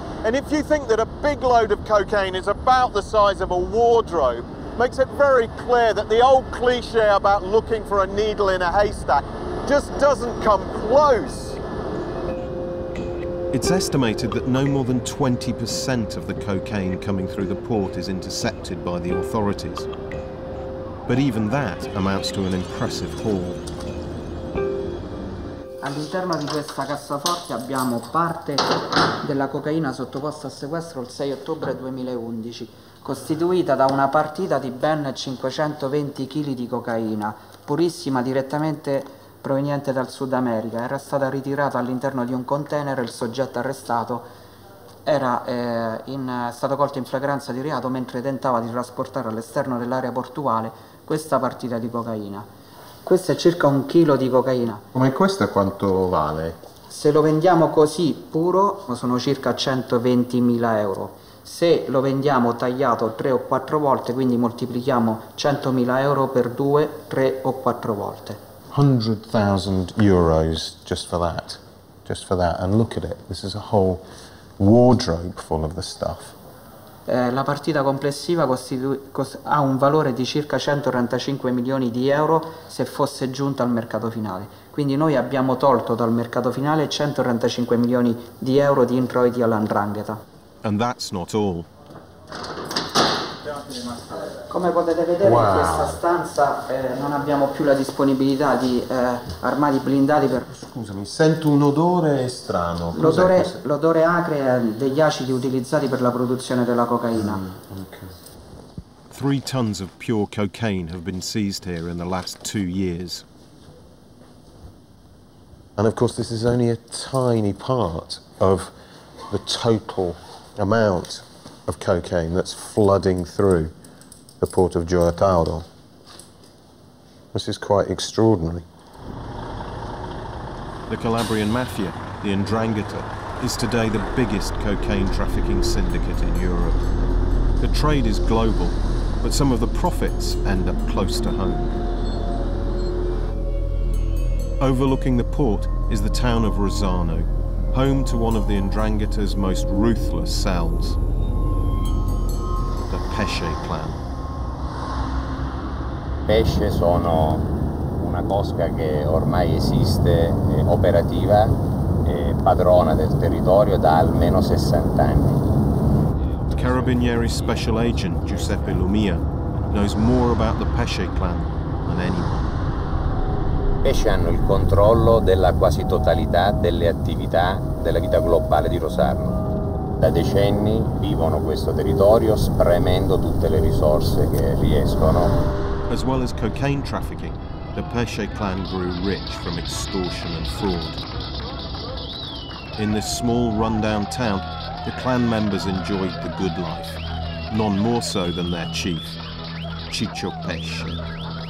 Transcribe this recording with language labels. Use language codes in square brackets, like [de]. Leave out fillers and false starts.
[en] And if you think that a big load of cocaine is about the size of a wardrobe, makes it very clear that the old cliche about looking for a needle in a haystack just doesn't come close. It's estimated that no more than 20% of the cocaine coming through the port is intercepted by the authorities. But even that amounts to an impressive haul. [it] All'interno di questa cassaforte abbiamo parte della cocaina sottoposta a sequestro il 6 ottobre 2011, costituita da una partita di ben 520 kg di cocaina, purissima, direttamente proveniente dal Sud America. Era stata ritirata all'interno di un container e il soggetto arrestato era stato colto in flagranza di reato mentre tentava di trasportare all'esterno dell'area portuale questa partita di cocaina. Questo è circa un chilo di cocaina. Come questo quanto vale? Se lo vendiamo così, puro, sono circa 120.000 euro. Se lo vendiamo tagliato 3 o 4 volte, quindi moltiplichiamo 100.000 euro per 2, 3 o 4 volte. [en] 100.000 euros just for that. Just for that. And look at it. This is a whole wardrobe full of the stuff. [it] La partita complessiva ha un valore di circa 135 milioni di euro se fosse giunta al mercato finale. Quindi noi abbiamo tolto dal mercato finale 135 milioni di euro di introiti alla 'Ndrangheta. [en] And that's not all. [it] Come potete vedere, wow, in questa stanza non abbiamo più la disponibilità di armadi blindati. Scusami, sento un odore strano. L'odore acre degli acidi utilizzati per la produzione della cocaina. Okay. [en] 3 tons of pure cocaine have been seized here in the last 2 years. And of course this is only a tiny part of the total amount of cocaine that's flooding through the port of Gioia Tauro. This is quite extraordinary. The Calabrian Mafia, the 'Ndrangheta, is today the biggest cocaine trafficking syndicate in Europe. The trade is global, but some of the profits end up close to home. Overlooking the port is the town of Rosano, home to one of the 'Ndrangheta's most ruthless cells. Pesce clan. [it] Pesce sono una cosca che ormai esiste, operativa, padrona del territorio da almeno 60 anni. [en] Carabinieri special agent Giuseppe Lumia knows more about the Pesce clan than anyone. [it] Pesce invece hanno il controllo della quasi totalità delle attività della vita globale di Rosarno. Da decenni vivono questo territorio spremendo tutte le risorse che riescono. [en] As well as cocaine trafficking, the Pesce clan grew rich from extortion and fraud. In this small rundown town, the clan members enjoyed the good life, none more so than their chief, Chicho Pesce.